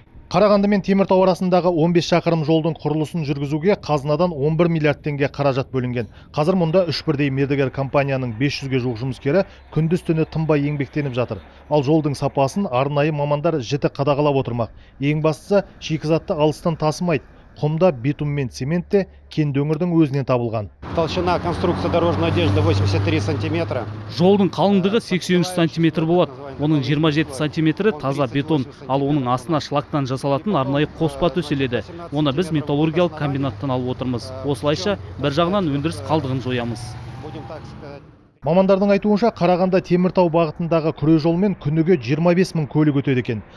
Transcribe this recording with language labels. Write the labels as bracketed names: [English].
[Kazakh] Қарағанды мен Теміртау арасындағы 15 шақырым жолдың құрылысын жүргізуге қазынадан 11 миллиард теңге қаражат бөлінген. Қазір мұнда 3 бірдей мердігер компанияның 500-ге жуық жұмыскері күндіз-түні тынбай еңбектеніп жатыр. Ал жолдың сапасын арнайы мамандар жіті қадағалап отырмақ. Ең бастысы, шикізатты алыстан тасымайды. Құмда битум мен цемент те кенді өңірдің өзінен табылған. [Russian] Толщина конструкции дорожной одежды 83 сантиметра. [Kazakh] Жолдың қалыңдығы 83 сантиметр болады. Оның 27 сантиметрі таза бетон, ал оның астына шлактан жасалатын арнайы қоспа төселеді. Оны біз металлургиялық комбинаттан алып отырмыз. Осылайша бір жағынан өндіріс қалдығын жоямыз. Мамандардың айтуынша, Қарағанды Теміртау бағытындағы күре жолмен күніге 25 мың көлік өтеді екен.